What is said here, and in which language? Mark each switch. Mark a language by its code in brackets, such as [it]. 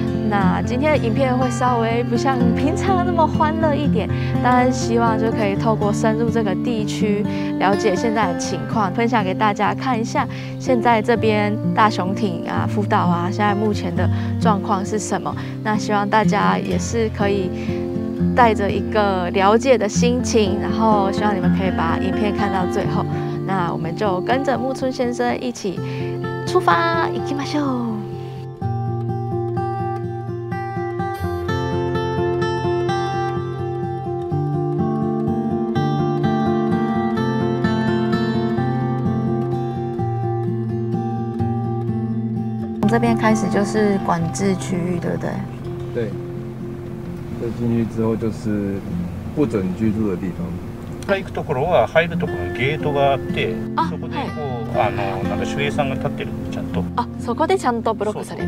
[zh] 那今天的影片会稍微不像平常那么欢乐一点，但希望就可以透过深入这个地区了解现在的情况，分享给大家看一下现在这边大熊町啊、福岛啊现在目前的状况是什么。那希望大家也是可以带着一个了解的心情，然后希望你们可以把影片看到最后。那我们就跟着木村先生一起出发， [ja] 行きましょう。 [zh] 从这边开始就是管制区域，对不对？对。再进去之后就是不准居住的地方。 [ja] 他行くところは入るところにゲートがあって、あそこでこう、はい、なんか守衛さんが立ってるちゃんと。あ、そこでちゃんとブロックされる。